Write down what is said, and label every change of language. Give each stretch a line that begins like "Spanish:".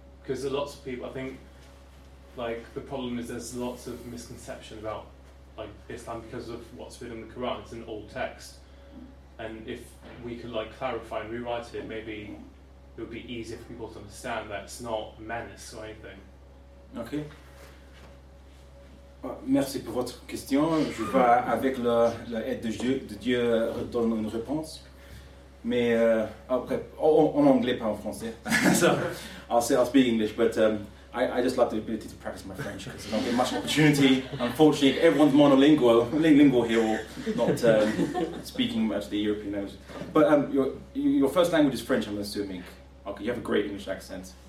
English: Because there are lots of people, I think, the problem is there's lots of misconception about Islam because of what's written in the Quran. It's an old text. And if we could clarify and rewrite it, maybe it would be easier for people to understand that it's not a menace or anything. Okay.
French: Merci pour votre question. Je vais, avec l'aide de Dieu, donner une réponse. Mais après, en anglais, pas en français.
English: So, I'll speak English, but I just like the ability to practice my French because I don't get much opportunity. Unfortunately, everyone's monolingual here, or not speaking much the European language. But your first language is French, I'm assuming. Okay, you have a great English accent.